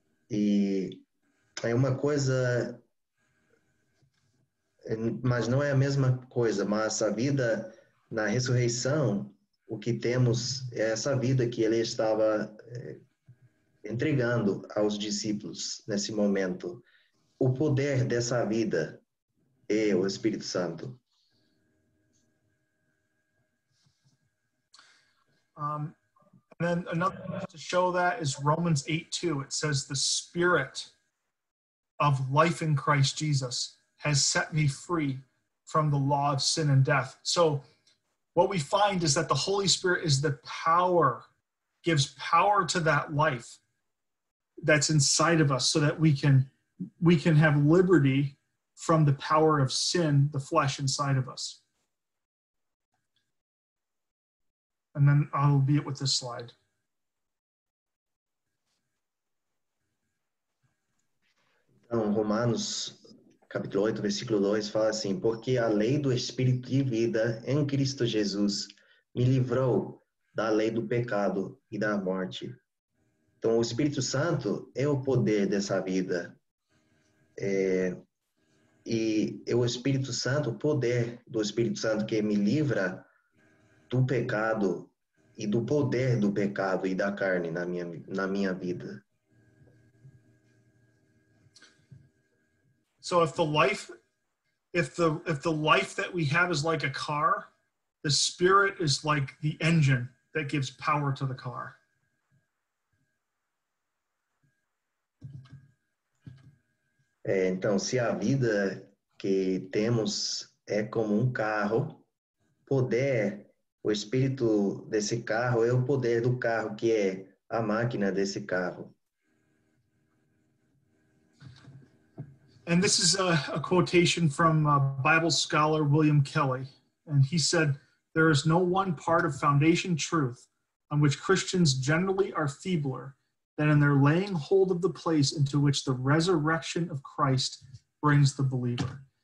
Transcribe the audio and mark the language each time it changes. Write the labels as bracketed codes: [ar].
[pt] E é uma coisa, mas não é a mesma coisa, mas a vida na ressurreição, o que temos é essa vida que ele estava entregando aos discípulos nesse momento. O poder dessa vida é o Espírito Santo. [en] And then another one to show that is Romans 8:2. It says, the Spirit of life in Christ Jesus has set me free from the law of sin and death. So what we find is that the Holy Spirit is the power, gives power to that life that's inside of us so that we can have liberty from the power of sin, the flesh inside of us. And then I'll be it with this slide. [pt] Então, Romanos, capítulo 8, versículo 2, fala assim, porque a lei do Espírito de vida em Cristo Jesus me livrou da lei do pecado e da morte. Então, o Espírito Santo é o poder dessa vida. E o Espírito Santo, o poder do Espírito Santo que me livra do pecado e do poder do pecado e da carne na minha vida. [en] So if the life that we have is like a car, the Spirit is like the engine that gives power to the car. [pt] Então, se a vida que temos é como um carro, poder, o espírito desse carro é o poder do carro, que é a máquina desse carro. [en] And this is a quotation from a Bible scholar, William Kelly. And he said, there is no one part of foundation truth on which Christians generally are feebler than in their laying hold of the place into which the resurrection of Christ brings the believer.